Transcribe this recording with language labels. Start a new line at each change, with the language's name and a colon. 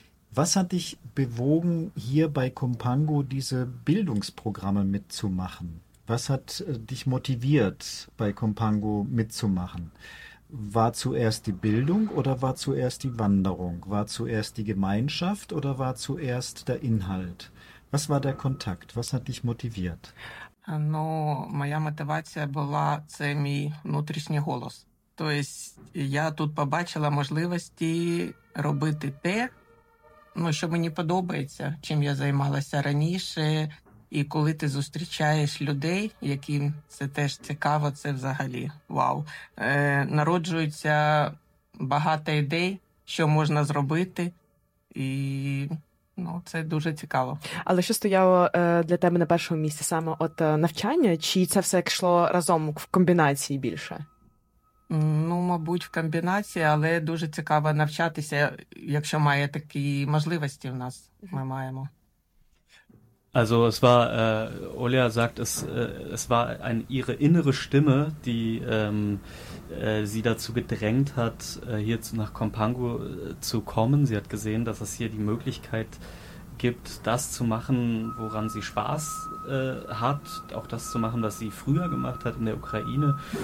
German: Was hat dich bewogen, hier bei Kompango diese Bildungsprogramme mitzumachen? Was hat dich motiviert, bei Kompango mitzumachen? War zuerst die Bildung oder war zuerst die Wanderung? War zuerst die Gemeinschaft oder war zuerst der Inhalt? Was war der Kontakt? Was hat dich motiviert?
Ukrainian: No, моя мотивація була, це мій внутрішній голос. То есть, я тут побачила можливості робити те, ну, що мені подобається, чим я займалася раніше, і коли ти зустрічаєш людей, яким це теж цікаво, це взагалі вау. Народжується багато ідей, що можна зробити, і ну, це дуже цікаво. Але що стояло для тебе на першому місці? Саме от навчання, чи це все йшло разом в комбінації більше? Ну, мабуть, в комбінації, але дуже цікаво навчатися, якщо має такі можливості в нас, ми маємо.
German: Also es war, Olia sagt, es war ein, ihre innere Stimme, die sie dazu gedrängt hat, hier nach Kompango zu kommen. Sie hat gesehen, dass es hier die Möglichkeit gibt, das zu machen, woran sie Spaß hat, auch das zu machen, was sie früher gemacht hat in der Ukraine.